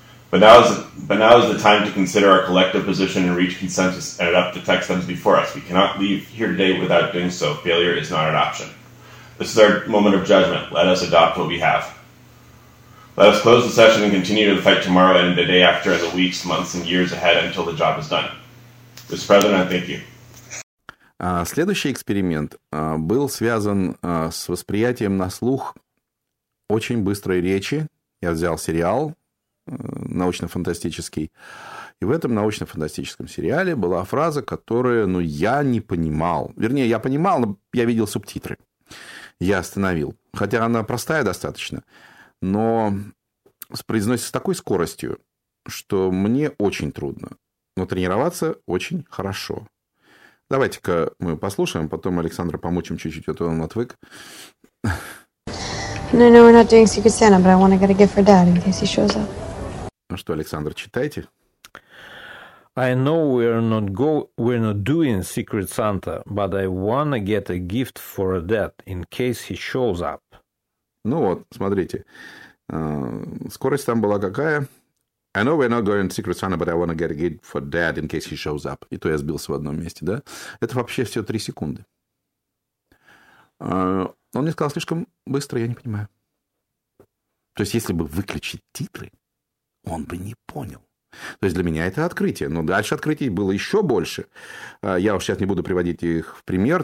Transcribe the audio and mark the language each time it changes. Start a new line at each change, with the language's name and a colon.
English: But now is the time to consider our collective position and reach consensus and adopt the text that is before us. We cannot leave here today without doing so. Failure is not an option. This is our moment of judgment. Let us adopt what we have. Let us close the session and continue to fight tomorrow and the day after and the weeks, months, and years ahead until the job is done. Mr. President, I thank you.
Russian: Следующий эксперимент был связан с восприятием на слух очень быстрой речи. Я взял сериал научно-фантастический. И в этом научно-фантастическом сериале была фраза, которую я не понимал. Вернее, я понимал, но я видел субтитры. Я остановил. Хотя она простая достаточно. Но произносится с такой скоростью, что мне очень трудно. Но тренироваться очень хорошо. Давайте-ка мы послушаем, потом Александра помучим чуть-чуть, а то он отвык.
English: No, no, we're not doing Secret Santa, but I want to get a gift for Dad in case he shows up.
Russian: Ну что, Александр, читайте.
English: I know we're not doing Secret Santa, but I want to get a gift for Dad in case he shows up.
Russian: Ну вот, смотрите. Скорость там была какая?
English: I know we're not going to Secret Santa, but I want to get a gift for Dad in case he shows up.
Russian: И то я сбился в одном месте, да? Это вообще все 3 секунды. Он мне сказал слишком быстро, я не понимаю. То есть, если бы выключить титры, он бы не понял. То есть, для меня это открытие. Но дальше открытий было еще больше. Я уж сейчас не буду приводить их в пример.